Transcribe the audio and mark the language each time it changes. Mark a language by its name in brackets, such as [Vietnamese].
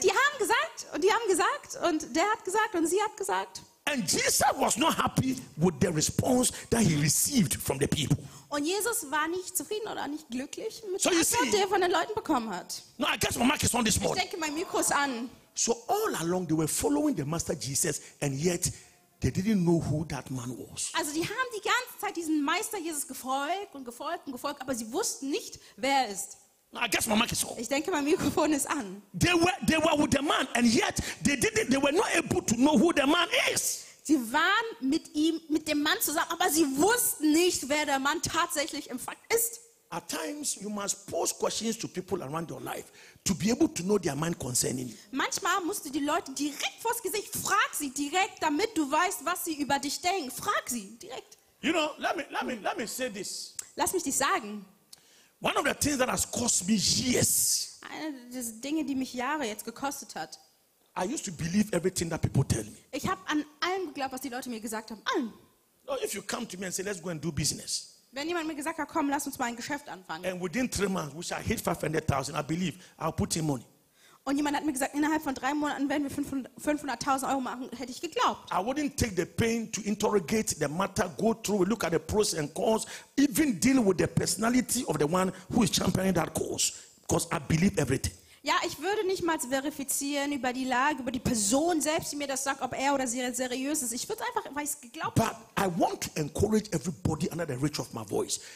[German] Die haben gesagt und der hat gesagt und sie hat gesagt. [English] And Jesus was not happy with the response that he received from the people. [German] Und Jesus war nicht zufrieden oder nicht glücklich mit der Antwort, die er von den Leuten bekommen hat. [English] No, I guess my mic is on this morning. [German] Ich denke, mein Mikro ist an. [English] So all along they were following the master Jesus and yet they didn't know who that man was. [German] Also die haben die ganze Zeit diesen Meister Jesus gefolgt und gefolgt und gefolgt, aber sie wussten nicht, wer er ist. [English] I guess my mic is off. [German] Ich denke, mein Mikrofon ist an. [English] They were with the man and yet they were not able to know who the man is. [German] Sie waren mit ihm, mit dem Mann zusammen, aber sie wussten nicht, wer der Mann tatsächlich im Fakt ist. [English] At times you must pose questions to people around your life to be able to know their mind concerning you. [German] Manchmal musst du die Leute direkt vors Gesicht, frag sie direkt, damit du weißt, was sie über dich denken. Frag sie direkt. [English] You know, let me say this. [German] Lass mich dich sagen. [English] One of the things that has cost me years. [German] Eine der Dinge, die mich Jahre jetzt gekostet hat. [English] I used to believe everything that people tell me. [German] Ich habe an allem geglaubt, was die Leute mir gesagt haben. Allem. [English] Oh, if you come to me and say, let's go and do business. [German] Wenn jemand mir gesagt hat, komm, lass uns mal ein Geschäft anfangen. [English] And within 3 months, we shall hit 500,000. I believe, I'll put in money. [German] Und jemand hat mir gesagt, innerhalb von 3 Monaten werden wir 500,000 Euro machen, hätte ich geglaubt. [English] I wouldn't take the pain to interrogate the matter, go through, look at the pros and cons, even deal with the personality of the one who is championing that cause, because I believe everything. [German] Ja, ich würde nicht mal verifizieren über die Lage, über die Person selbst, die mir das sagt, ob er oder sie seriös ist. Ich würde es einfach, weil ich es geglaubt habe. [English] But I want to encourage everybody under the reach of my voice.